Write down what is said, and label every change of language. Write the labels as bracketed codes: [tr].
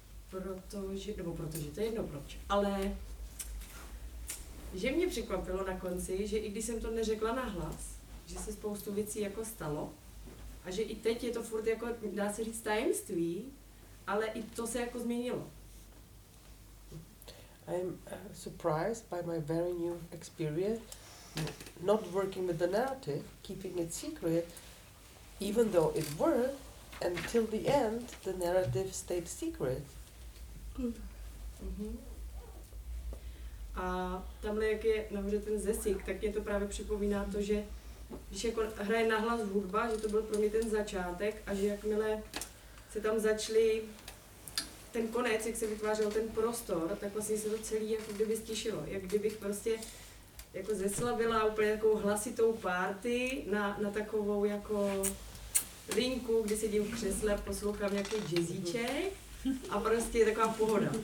[cs] Protože to je jedno proč. Ale že mě překvapilo na konci, že i když jsem to neřekla nahlas, že se spoustu věcí jako stalo a že i teď je to furt jako dá se říct tajemství, ale i to se jako změnilo. [en] I'm surprised by my very new experience not working with the narrative, keeping it secret. Even though it worked, until the end, the narrative stayed secret. [cs] A tamhle, jak je nahoře ten zesík, tak mě to právě připomíná to, že když jako hraje nahlas hudba, že to byl pro mě ten začátek a že jakmile se tam začali ten konec, jak se vytvářel ten prostor, tak vlastně se to celé jako kdyby stišilo, jak kdybych prostě jako zeslabila úplně takovou hlasitou party na takovou jako linku, kde sedím v křesle, poslouchám nějaký jazzíček a prostě je taková pohoda.